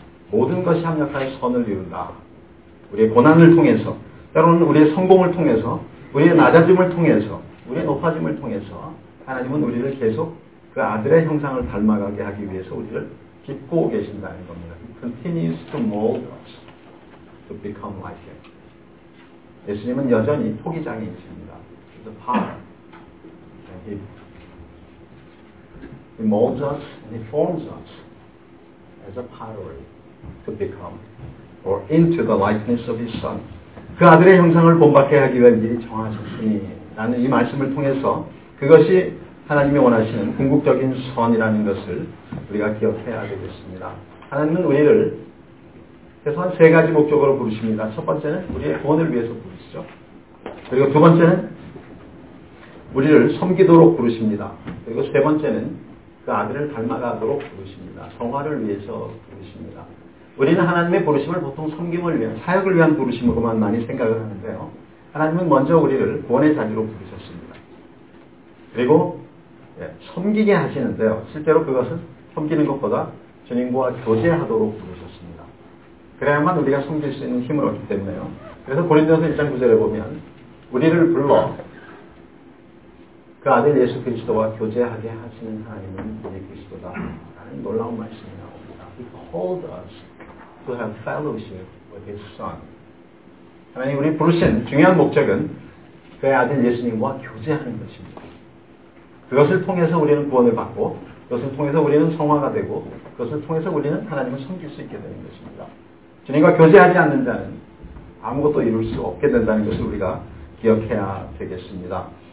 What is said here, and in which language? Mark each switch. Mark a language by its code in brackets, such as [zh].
[ko] 모든 것이 합력하여 선을 이룬다. 우리의 고난을 통해서, 때로는 우리의 성공을 통해서, 우리의 낮아짐을 통해서, 우리의 높아짐을 통해서 하나님은 우리를 계속 그 아들의 형상을 닮아가게 하기 위해서 우리를 짓고 계신다는 겁니다. [en] Continues to mold us to become like Him. [ko] 예수님은 여전히 포기장이십니다. [en] He's a potter. And He molds us and He forms us as a pottery to become or into the likeness of His Son. [ko] 그 아들의 형상을 본받게 하기 위해 미리 정하셨으니 라는 이 말씀을 통해서 그것이 하나님이 원하시는 궁극적인 선이라는 것을 우리가 기억해야 되겠습니다. 하나님은 우리를 그래서 한 세 가지 목적으로 부르십니다. 첫 번째는 우리의 구원을 위해서 부르시죠. 그리고 두 번째는 우리를 섬기도록 부르십니다. 그리고 세 번째는 그 아들을 닮아가도록 부르십니다. 성화를 위해서 부르십니다. 우리는 하나님의 부르심을 보통 섬김을 위한, 사역을 위한 부르심으로만 많이 생각을 하는데요. 하나님은 먼저 우리를 구원의 자리로 부르셨습니다. 그리고 섬기게 하시는데요. 실제로 그것은 섬기는 것보다 주님과 교제하도록 부르셨습니다. 그래야만 우리가 섬길 수 있는 힘을 얻기 때문에요. 그래서 고린도서 1장 9절에 보면 우리를 불러 그 아들 예수 그리스도와 교제하게 하시는 하나님은 우리 그리스도다 라는 놀라운 말씀이 나옵니다. [en] He called us to have fellowship with his son. [ko] 하나님 우리 부르신 중요한 목적은 그의 아들 예수님과 교제하는 것입니다. 그것을 통해서 우리는 구원을 받고 그것을 통해서 우리는 성화가 되고 그것을 통해서 우리는 하나님을 섬길 수 있게 되는 것입니다. 주님과 교제하지 않는 자는 아무것도 이룰 수 없게 된다는 것을 우리가 기억해야 되겠습니다.